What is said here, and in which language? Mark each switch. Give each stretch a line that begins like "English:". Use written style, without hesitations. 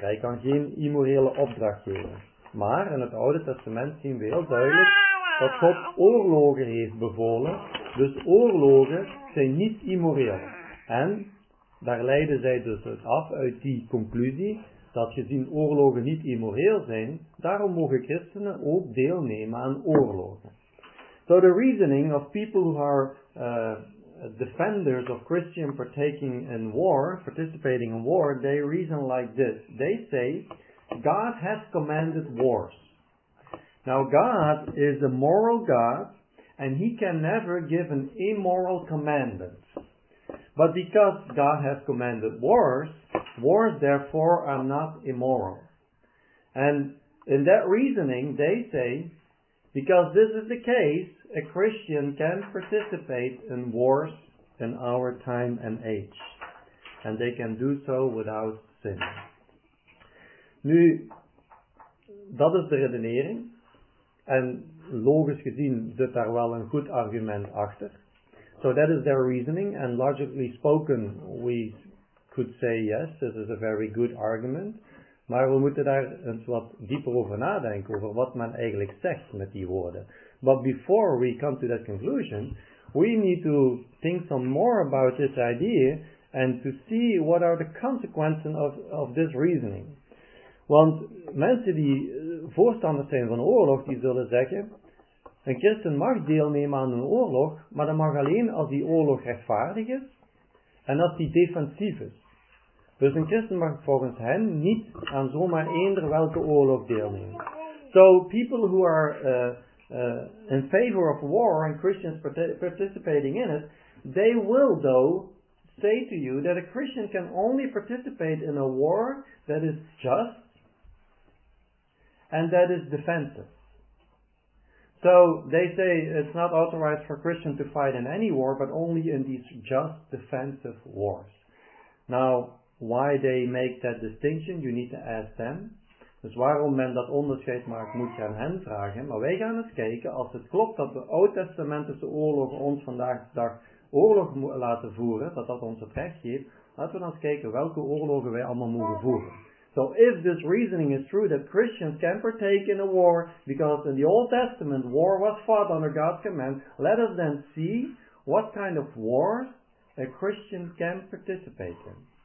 Dutch: Hij kan geen immorele opdracht geven. Maar in het Oude Testament zien we heel duidelijk dat God oorlogen heeft bevolen. Dus oorlogen zijn niet immoreel. En daar leiden zij dus af uit die conclusie dat gezien oorlogen niet immoreel zijn, daarom mogen christenen ook deelnemen aan oorlogen.
English: So the reasoning of people who are defenders of Christian partaking in war, participating in war, they reason like this. They say, God has commanded wars. Now God is a moral God, and he can never give an immoral commandment. But because God has commanded wars, wars therefore are not immoral. And in that reasoning, they say, because this is the case, a Christian can participate in wars in our time and age. And they can do so without sin.
Dutch: Nu, dat is de redenering. En logisch gezien zit daar wel een goed argument achter.
English: So that is their reasoning. And logically spoken, we could say yes, this is a very good argument.
Dutch: Maar we moeten daar eens wat dieper over nadenken, over wat men eigenlijk zegt met die woorden.
English: But before we come to that conclusion, we need to think some more about this idea and to see what are the consequences of this reasoning.
Dutch: Want mensen die voorstander zijn van oorlog, die zullen zeggen, een christen mag deelnemen aan een oorlog, maar dat mag alleen als die oorlog rechtvaardig is en als die defensief is. Dus een christen mag volgens hen niet aan zomaar eender welke oorlog deelnemen.
English: So, people who are in favor of war and Christians participating in it, they will, though, say to you that a Christian can only participate in a war that is just and that is defensive. So, they say it's not authorized for Christians to fight in any war, but only in these just defensive wars. Now, why they make that distinction, you need to ask them.
Dutch: Dus waarom men dat onderscheid maakt, moet je aan hen vragen. Maar wij gaan eens kijken, als het klopt dat de Oud-Testamentische oorlogen ons vandaag de dag oorlog laten voeren, dat dat ons het recht geeft, laten we dan eens kijken welke oorlogen wij allemaal mogen voeren.
English: So if this reasoning is true, that Christians can partake in a war, because in the Old Testament war was fought under God's command, let us then see what kind of wars a Christian can participate in.